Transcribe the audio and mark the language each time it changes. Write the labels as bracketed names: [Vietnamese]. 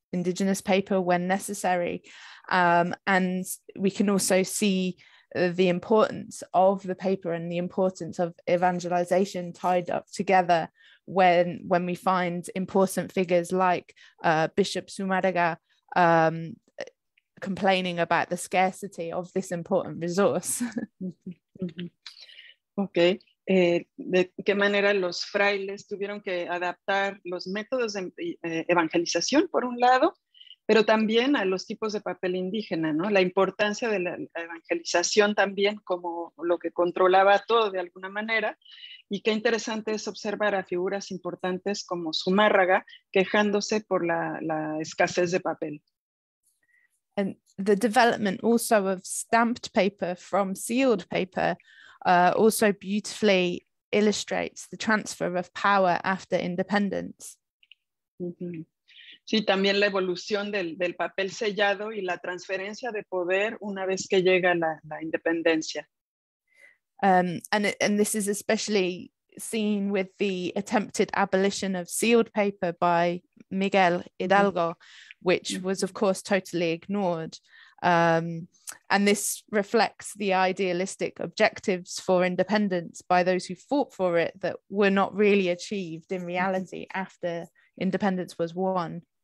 [English] indigenous paper when necessary. And we can also see the importance of the paper and the importance of evangelization tied up together when we find important figures like Bishop Sumaraga complaining about the scarcity of this important resource. Okay. [Spanish] De qué manera los frailes tuvieron que adaptar los métodos de evangelización, por un lado, pero también a los tipos de papel indígena, ¿no? La importancia de la evangelización también como lo que controlaba todo de alguna manera. Y qué interesante es observar a figuras importantes como Zumárraga quejándose por la escasez de papel. [English] And the development also of stamped paper from sealed paper also beautifully illustrates the transfer of power after independence. [Spanish] Sí, también la evolución del papel sellado y la transferencia de poder una vez que llega la independencia. [English] And this is especially seen with the attempted abolition of sealed paper by Miguel Hidalgo, which was of course totally ignored. And this reflects the idealistic objectives for independence by those who fought for it that were not really achieved in reality after independence was won.